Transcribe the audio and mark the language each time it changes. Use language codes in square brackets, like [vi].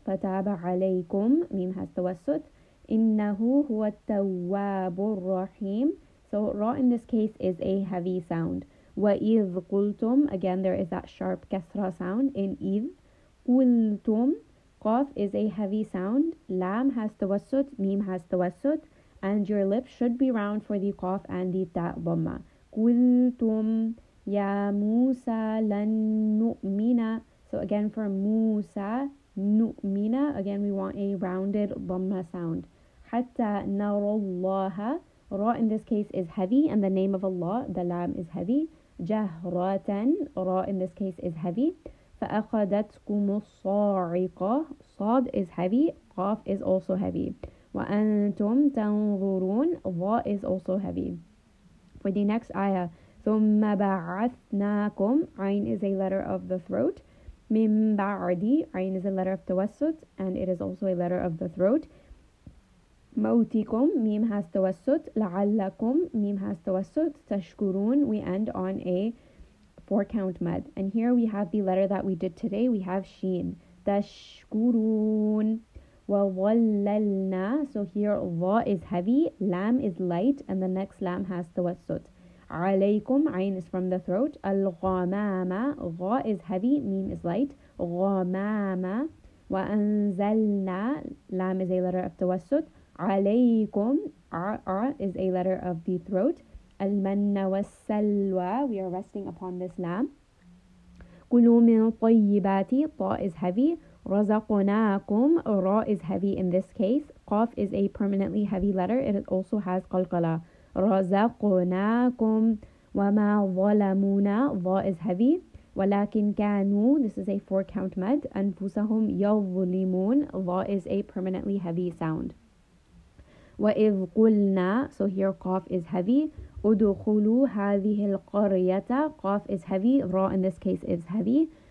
[ar] فَتَابَ عَلَيْكُمْ. [en] Mim has توسط. [ar] إِنَّهُ هُوَ التَّوَّابُ الرَّحِيمُ. [en] So ra in this case is a heavy sound. [ar] وَإِذْ قُلْتُمْ. [en] Again, there is that sharp كَسْرَ sound in إِذْ. [ar] قُلْتُمْ. [en] قَف is a heavy sound. لَام has توسط. ميم has توسط. And your lips should be round for the قَف and the تَاء ضَمَّة. [ar] قُلْتُمْ يَا مُوسَى لَن نُؤْمِنَ. [en] So again, for [ar] مُوسَى نُؤْمِنَ. [en] Again, we want a rounded ضَمَّة sound. [ar] حَتَّى نَرَى اللَّهَ. [en] Ra in this case is heavy, and the name of Allah, the lam, is heavy. جهراتن, ra in this case is heavy. [ar] فأخذتكم الصاعقة, [en] صاد is heavy, قاف is also heavy. [ar] وأنتم تنظرون, [en] ظا is also heavy. For the next ayah, [ar] ثم بعثناكم, [en] عين is a letter of the throat. [ar] من بعدي, [en] عين is a letter of توسط, and it is also a letter of the throat. موتكم, ميم has توسط. لعلكم, ميم has توسط. تشكرون, we end on a four count med. And here we have the letter that we did today. We have شين. [ar] تشكرون. وظللنا. [en] So here ظا is heavy, لام is light, and the next لام has توسط. عليكم, عين is from the throat. الغمامة, ظا is heavy, ميم is light. غمامة. وأنزلنا, لام is a letter of توسط. عليكم, ع is a letter of the throat. [ar] المن والسلوى, [en] we are resting upon this lam. [ar] كلوا من طيباتي, [en] طا is heavy. رزقناكم, را is heavy in this case. قاف is a permanently heavy letter. It also has قلقلة. [ar] رزقناكم وما ظلمونا, [en] ظا is heavy. [ar] ولكن كانوا, [en] this is a four count med. [ar] أنفسهم يظلمون, [en] ظا is a permanently heavy sound. [ar] وَإِذْ قُلْنَا, [en] so here قَاف is heavy. [ar] أُدْخُلُوا هَذِهِ الْقَرْيَةَ, [en] قَاف is heavy, رَا in this case is heavy.